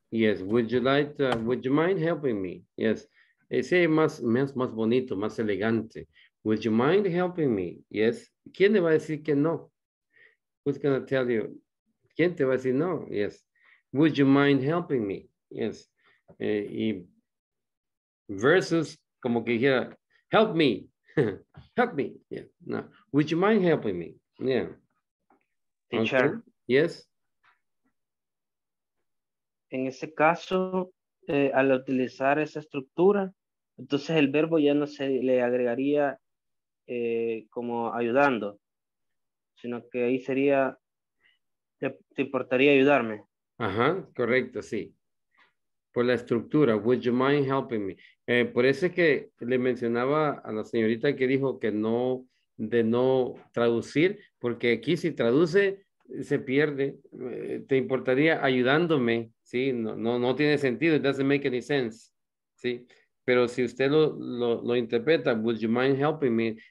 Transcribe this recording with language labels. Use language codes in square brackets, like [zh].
[en] Yes, would you mind helping me? Yes. [es] Ese es más bonito, más elegante. [en] Would you mind helping me? Yes. [es] ¿Quién le va a decir que no? [en] Who's going to tell you? [es] ¿Quién te va a decir no? Yes. [en] Would you mind helping me? [es] Yes. Y versus como que dijera, [en] help me. Help me. Yeah. [es] No. [en] Would you mind helping me? Yeah. Teacher. Okay. Yes. [es] En ese caso, al utilizar esa estructura, entonces el verbo ya no se le agregaría como ayudando, sino que ahí sería... ¿Te importaría ayudarme? Ajá, correcto, sí. Por la estructura, [en] would you mind helping me? [es] Por eso es que le mencionaba a la señorita que dijo que no, de no traducir, porque aquí si traduce, se pierde. ¿Te importaría ayudándome? Sí, no tiene sentido, [en] it doesn't make any sense. [es] Sí, pero si usted lo interpreta, [en] would you mind helping me?